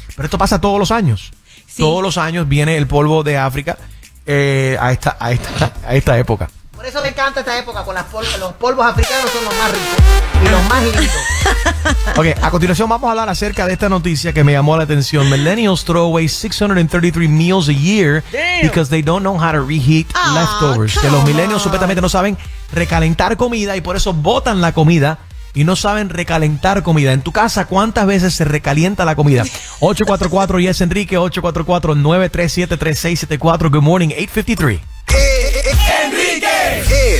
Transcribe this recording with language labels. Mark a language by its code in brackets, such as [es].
[es] Pero esto pasa todos los años. Sí. Todos los años viene el polvo de África a esta época. Por eso me encanta esta época, con los polvos africanos son los más ricos y los más lindos. Okay, a continuación vamos a hablar acerca de esta noticia que me llamó la atención. [en] Millennials throw away 633 meals a year. Damn. Because they don't know how to reheat leftovers. [es] Que los millennials supuestamente no saben recalentar comida y por eso botan la comida. Y no saben recalentar comida. En tu casa, ¿cuántas veces se recalienta la comida? 844-YES-ENRIQUE, 844-937-3674. [en] Good morning, 853. ¡Enrique!